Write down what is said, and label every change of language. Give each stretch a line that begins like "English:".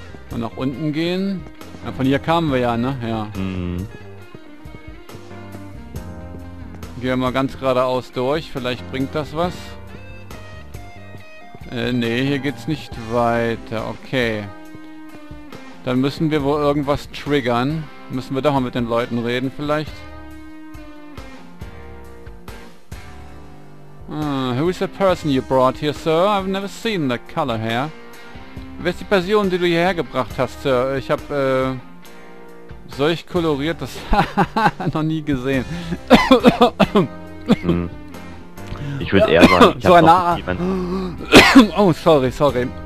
German: Und nach unten gehen. Ja, von hier kamen wir ja, ne? Ja. Gehen wir mal ganz geradeaus durch. Vielleicht bringt das was. Nee, hier geht's nicht weiter. Okay. Dann müssen wir wohl irgendwas triggern. Müssen wir doch mal mit den Leuten reden vielleicht.
English: Who is the person you brought here, sir? I've never seen that color hair.
German: Wer ist die Person, die du hierher gebracht hast, sir? Ich hab, solch koloriertes Haar noch nie gesehen. Ich würde eher sagen, so eine Haarfarbe. Oh, sorry.